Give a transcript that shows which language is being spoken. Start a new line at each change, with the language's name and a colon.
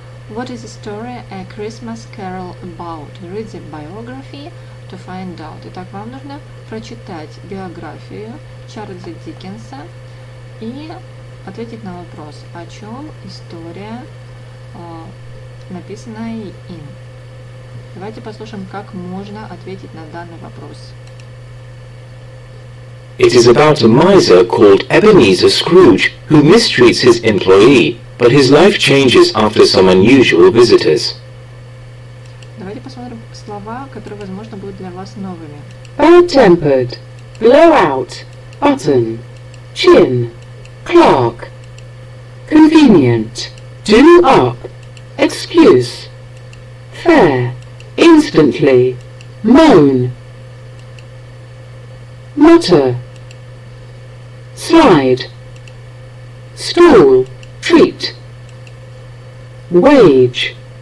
English: What is the story A Christmas Carol about? Read the biography to find out.
Russian: Итак, вам нужно прочитать биографию Чарльза Диккенса и ответить на вопрос, о чем история, написанная им. Давайте послушаем, как можно ответить на данный вопрос.
English: It is about a miser called Ebenezer Scrooge, who mistreats his employee. But his life changes after some unusual visitors.
Russian: Давайте посмотрим слова, которые, возможно, будут для вас новыми.
English: Bad-tempered, blowout, button, chin, clerk, convenient, do up, excuse, fair, instantly, moan, mutter, slide, stall, treat. Wage.